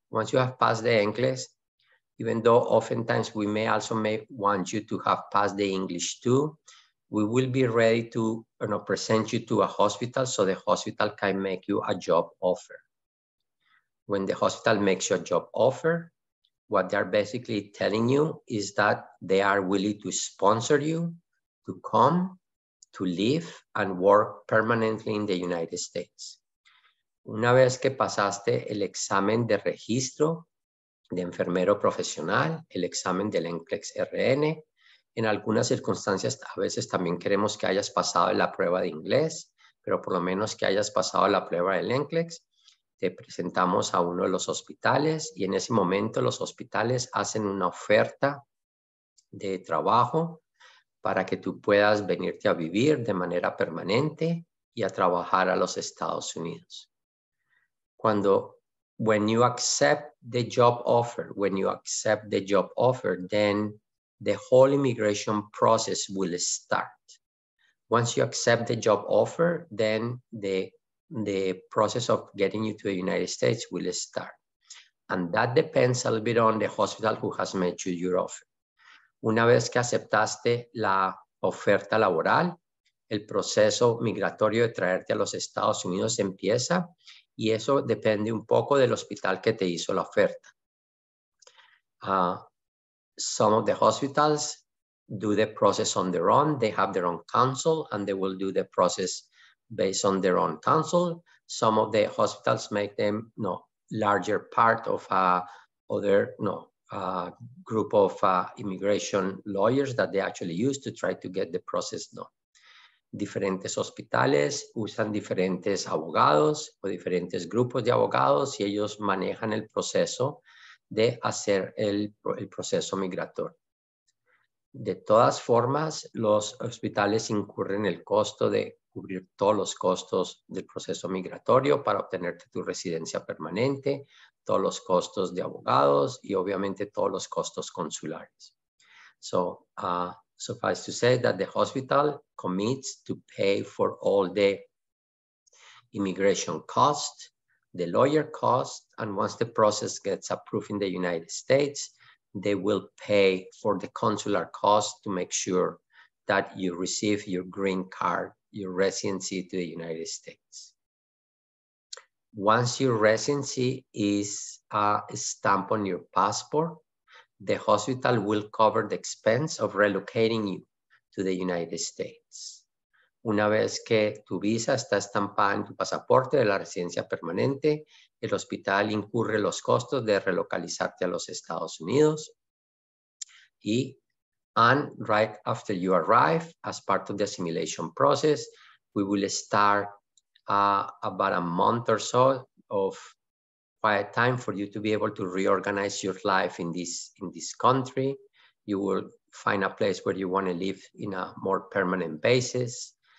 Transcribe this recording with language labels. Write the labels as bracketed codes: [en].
[en] Once you have passed the NCLEX, even though oftentimes we may also may want you to have passed the English too, we will be ready to present you to a hospital so the hospital can make you a job offer. When the hospital makes you a job offer, what they are basically telling you is that they are willing to sponsor you to come, to live and work permanently in the United States. [es] Una vez que pasaste el examen de registro de enfermero profesional, el examen del NCLEX-RN, en algunas circunstancias a veces también queremos que hayas pasado la prueba de inglés, pero por lo menos que hayas pasado la prueba del NCLEX, te presentamos a uno de los hospitales y en ese momento los hospitales hacen una oferta de trabajo para que tú puedas venirte a vivir de manera permanente y a trabajar a los Estados Unidos. Cuando, [en] when you accept the job offer, when you accept the job offer, then the whole immigration process will start. Once you accept the job offer, then the process of getting you to the United States will start. And that depends a little bit on the hospital who has made you your offer. [es] Una vez que aceptaste la oferta laboral, el proceso migratorio de traerte a los Estados Unidos empieza y eso depende un poco del hospital que te hizo la oferta. [en] Some of the hospitals do the process on their own. They have their own counsel and they will do the process based on their own counsel. Some of the hospitals make them larger part of group of immigration lawyers that they actually use to try to get the process done. [es] Diferentes hospitales usan diferentes abogados o diferentes grupos de abogados y ellos manejan el proceso de hacer el proceso migratorio. De todas formas, los hospitales incurren el costo de cubrir todos los costos del proceso migratorio para obtener tu residencia permanente, todos los costos de abogados y obviamente todos los costos consulares. [en] So, suffice to say that the hospital commits to pay for all the immigration costs, the lawyer costs, and once the process gets approved in the United States, they will pay for the consular costs to make sure that you receive your green card your residency to the United States. Once your residency is stamped on your passport, the hospital will cover the expense of relocating you to the United States. [es] Una vez que tu visa está estampada en tu pasaporte de la residencia permanente, el hospital incurre los costos de relocalizarte a los Estados Unidos. [en] And right after you arrive, as part of the assimilation process, we will start about a month or so of quiet time for you to be able to reorganize your life in this country. You will find a place where you want to live in a more permanent basis.